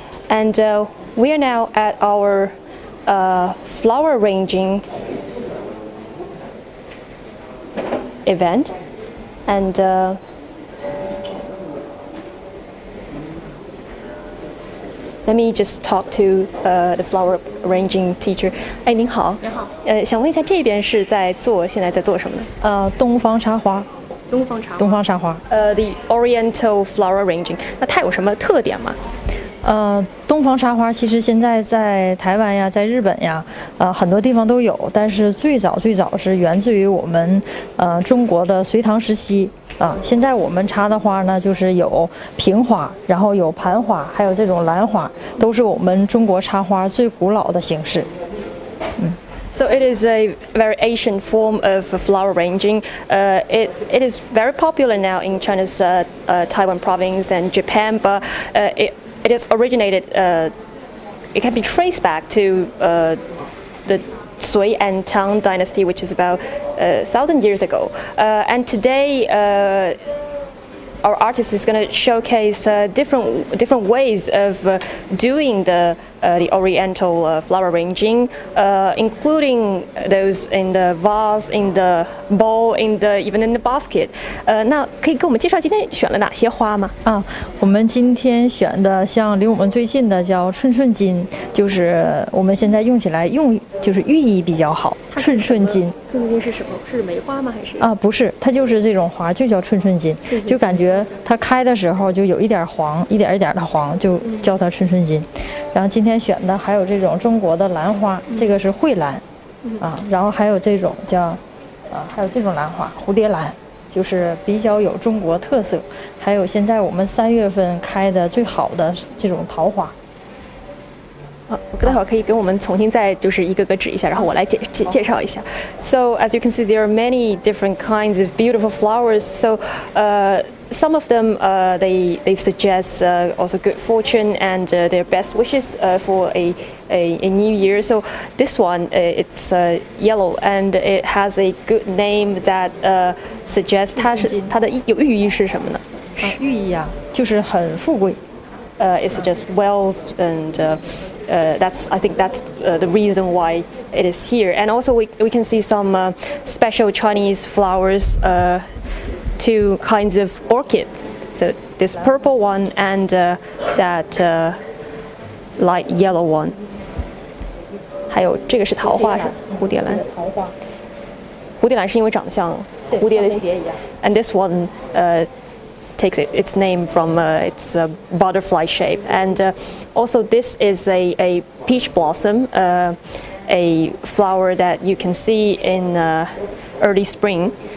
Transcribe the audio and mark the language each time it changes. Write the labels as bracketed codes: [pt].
[en] And we are now at our flower arranging event, and let me just talk to the flower arranging teacher. [zh] 哎，您好。您好。想问一下，这边是在做，现在在做什么呢？东方茶花。东方茶花。东方茶花。 [en] The Oriental flower arranging. [zh] 那它有什么特点吗？东方茶花其实现在在台湾呀，在日本呀，很多地方都有。但是最早是源自于我们，中国的隋唐时期啊。现在我们插的花呢，就是有瓶花，然后有盘花，还有这种兰花，都是我们中国插花最古老的形式。 [en] So it is a very ancient form of flower arranging. It is very popular now in China's Taiwan province and Japan, but it has originated, it can be traced back to the Sui and Tang dynasty, which is about 1,000 years ago. And today, our artist is going to showcase different ways of doing the Oriental flower arranging, including those in the vase, in the bowl, even in the basket. [zh] 那可以给我们介绍今天选了哪些花吗？啊，我们今天选的像离我们最近的叫春春金，就是我们现在用起来用就是寓意比较好。春春金，春春金是什么？是梅花吗？还是？啊，不是，它就是这种花，就叫春春金，就感觉它开的时候就有一点黄，一点一点的黄，就叫它春春金。然后今天选的还有这种中国的兰花，这个是蕙兰，啊，然后还有这种叫，啊，还有这种兰花，蝴蝶兰，就是比较有中国特色。还有现在我们三月份开的最好的这种桃花。我待会儿可以给我们重新再就是一个个指一下，然后我来介绍一下。 [en] So as you can see, there are many different kinds of beautiful flowers. So, some of them, they suggest also good fortune and their best wishes for a new year. So this one, it's yellow and it has a good name that suggests [zh] 它的有寓意是什么呢？寓意啊，就是很富贵。 [en] It suggests wealth and that's the reason why it is here. And also we can see some special Chinese flowers, two kinds of orchid. So this purple one and that light yellow one. [zh] 还有这个是桃花，是蝴蝶兰。蝴蝶兰是因为长得像蝴蝶的。 [en] And this one takes its name from its butterfly shape. And also this is a peach blossom, a flower that you can see in early spring.